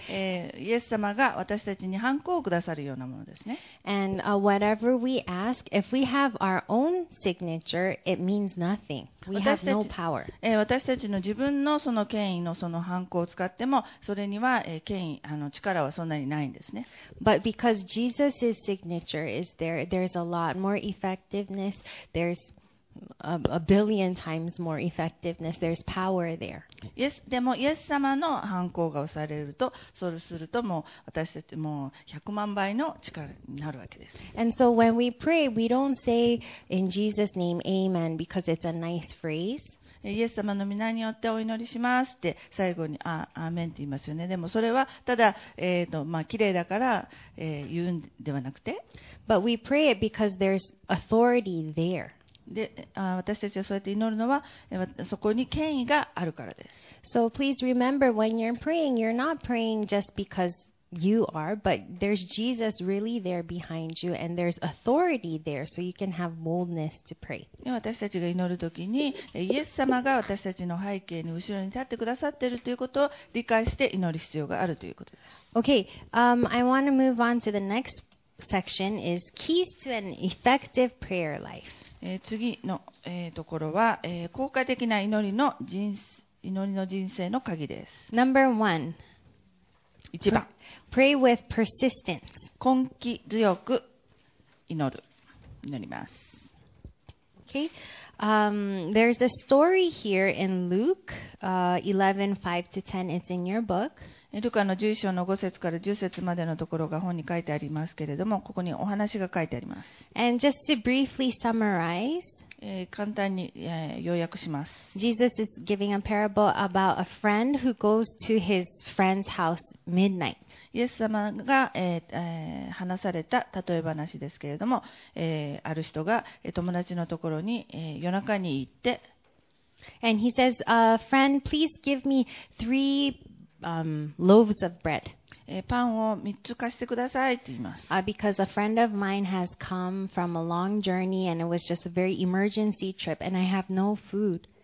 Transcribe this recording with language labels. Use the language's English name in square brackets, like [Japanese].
[Japanese] イエス様が私たちにハンコをくださるようなものですね。 [English] And whatever we ask, if we have our own signature, it means nothing. We have no power. [Japanese] 私たちの自分のその権威のそのハンコを使っても、それには権威、力はそんなにないんですね。 [English] But because Jesus' signature is there, there's a lot more effectiveness. There's a billion times more effectiveness. There's power there. [Japanese] Yes, でもイエス様の判子が押されると、そうするともう私たちもう100万倍の力になるわけです。 [English] And so when we pray, we don't say in Jesus' name, Amen, because it's a nice phrase. [Japanese] イエス様の名によってお祈りしますって最後にアーメンって言いますよね。でもそれはただ、綺麗だから、言うんではなくて。 [English] But we pray it because there's authority there. [Japanese] で、私たちはそうやって祈るのはそこに権威があるからです。 [English] So please remember when you're praying, you're not praying just because you are, but there's Jesus really there behind you and there's authority there so you can have boldness to pray. [Japanese] 私たちが祈るときにイエス様が私たちの背景に後ろに立ってくださっているということを理解して祈る必要があるということです。 [English] Okay, I want to move on to the next section is keys to an effective prayer life. [Japanese] 次の、ところは、効果的な祈りの人生の鍵です。 [English] Number one. [Japanese] 一番。 [English] Pray with persistence. [Japanese] 根気強く祈ります。 [English] Okay. There's a story here in Luke 11:5-10. It's in your book. [Japanese] ルカの11章の5節から10節までのところが本に書いてありますけれども、ここにお話が書いてあります。 [English] And just to briefly summarize, [Japanese] 簡単に、要約します。 [English] Jesus is giving a parable about a friend who goes to his friend's house midnight. [Japanese] イエス様が、話された例え話ですけれども、ある人が友達のところに、夜中に行って。 [English] And he says, friend, please give me three loaves of bread. [Japanese] パンを3つ貸してくださいと言います。 [English] Because a friend of mine has come from a long journey and it was just a very emergency trip and I have no food.